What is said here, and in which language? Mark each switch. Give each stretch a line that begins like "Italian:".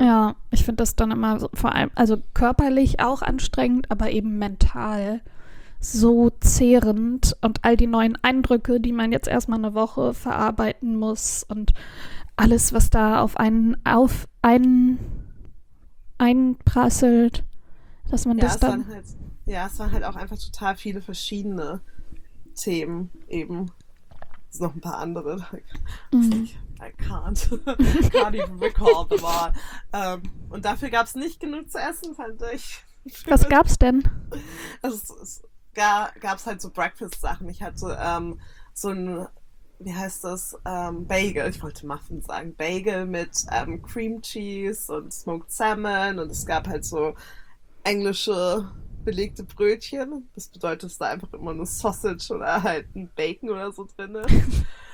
German: Ja, ich finde das dann immer so, vor allem, also körperlich auch anstrengend, aber eben mental so zehrend und all die neuen Eindrücke, die man jetzt erstmal eine Woche verarbeiten muss und alles, was da einprasselt, dass man ja, das dann... es waren halt auch einfach total viele verschiedene Themen eben. Es sind noch ein paar andere.
English: I can't even recall them all.
German: Und dafür gab es nicht genug zu essen, fand ich. Was gab es denn? Es gab halt so Breakfast-Sachen. Ich hatte so ein, wie heißt das, Bagel, ich wollte Muffin sagen, Bagel mit Cream Cheese und Smoked Salmon und es gab halt so englische belegte Brötchen, das bedeutet, dass da einfach immer nur Sausage oder halt ein Bacon oder so drin ist.